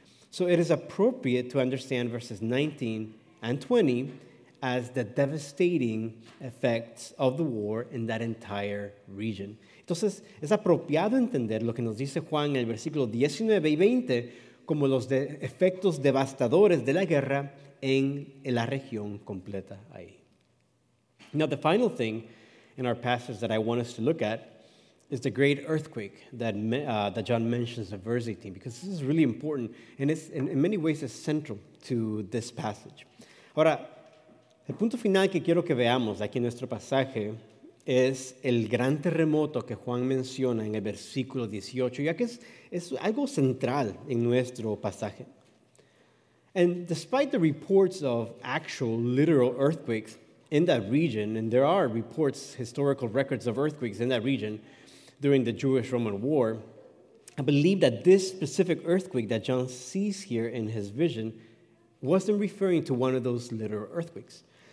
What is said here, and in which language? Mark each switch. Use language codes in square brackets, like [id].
[en] So it is appropriate to understand verses 19 and 20 as the devastating effects of the war in that entire region. [es] Entonces, es apropiado entender lo que nos dice Juan en el versículo 19 y 20 como los efectos devastadores de la guerra en la región completa ahí. [en] Now, the final thing in our passage that I want us to look at is the great earthquake that that John mentions in verse 18, because this is really important, and it's in many ways is central to this passage. [es] Ahora, el punto final que quiero que veamos aquí en nuestro pasaje es el gran terremoto que Juan menciona en el versículo 18, ya que es algo central en nuestro pasaje. [en] And despite the reports of actual literal earthquakes in that region, and there are reports, historical records of earthquakes in that region during the Jewish-Roman War, I believe that this specific earthquake that John sees here in his vision wasn't referring to one of those literal earthquakes.